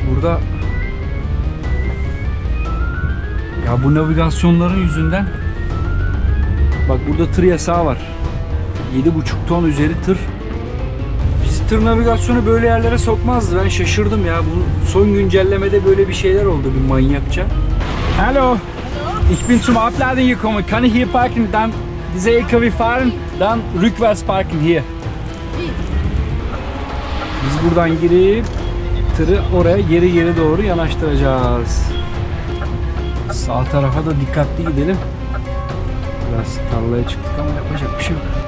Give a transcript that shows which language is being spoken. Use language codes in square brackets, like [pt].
[tr] Burada ya bu navigasyonların yüzünden bak burada tır yasağı var. 7,5 ton üzeri tır. Bizi tır navigasyonu böyle yerlere sokmazdı. Ben şaşırdım ya. Bu son güncellemede böyle bir şeyler oldu bir manyakça. [en] Hello. [de] Ich bin zum Abladen gekommen. Kann ich hier parken? Dann diese LKW fahren, dann rückwärts parken hier. [tr] Biz buradan girip tırı oraya geri geri doğru yanaştıracağız. Sağ tarafa da dikkatli gidelim. Biraz tarlaya çıktık ama yapacak bir şey yok.